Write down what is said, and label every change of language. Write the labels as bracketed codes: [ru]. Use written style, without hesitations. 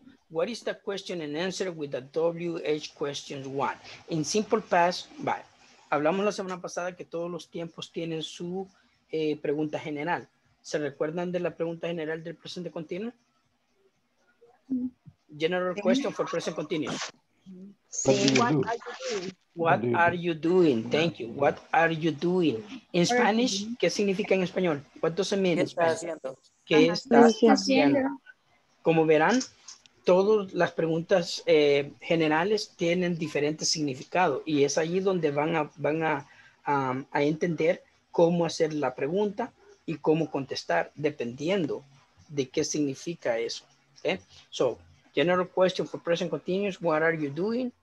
[en] What is the question and answer with the WH questions one? In simple past, bye. [es] Hablamos la semana pasada que todos los tiempos tienen su pregunta general. ¿Se recuerdan de la pregunta general del presente continuo? [en] General question for present continuous. Sí. What are you doing? Thank you. What are you doing? In Spanish, [es] ¿qué significa en español? [en] What does it mean? [es] ¿Qué estás haciendo? ¿Qué estás haciendo? Como verán, todas las preguntas generales tienen diferente significado y es allí donde van a entender cómo hacer la pregunta y cómo contestar dependiendo de qué significa eso. [en] Okay? So, general question for present continuous, what are you doing?